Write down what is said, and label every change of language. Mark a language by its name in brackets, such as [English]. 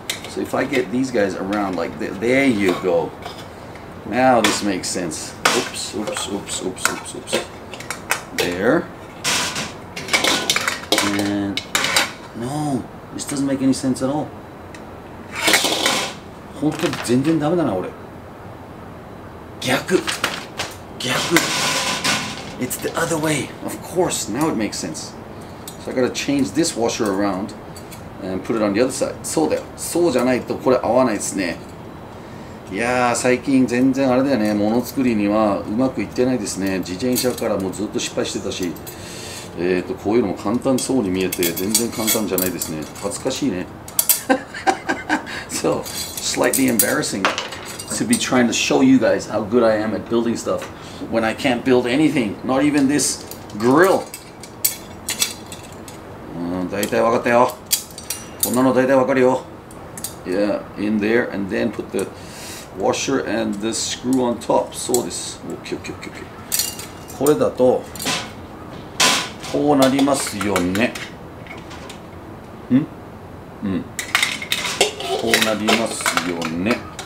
[English] So if I get these guys around like this, there you go. Now this makes sense. Oops, oops, oops, oops, oops, oops. There. And no, this doesn't make any sense at all. [Japanese] 本当に全然ダメだな俺。逆。 [English] It's the other way. Of course, now it makes sense. So I gotta change this washer around. And put it on the other side. [Japanese] そうだよ。そうじゃないとこれ合わないですね。いやー、最近全然あれだよね。物作りにはうまくいってないですね。自転車からもずっと失敗してたし、こういうのも簡単そうに見えて、全然簡単じゃないですね。恥ずかしいね。 [English] So, slightly embarrassing to be trying to show you guys how good I am at building stuff when I can't build anything, not even this grill. [Japanese] だいたいわかったよ。こんなの大体わかるよ。 [English] Yeah, in there and then put the washer and the screw on top. [Japanese] そうです。 [English] OK, OK, OK, OK. [Japanese] これだと、こうなりますよね。ん？うん。こうなりますよね。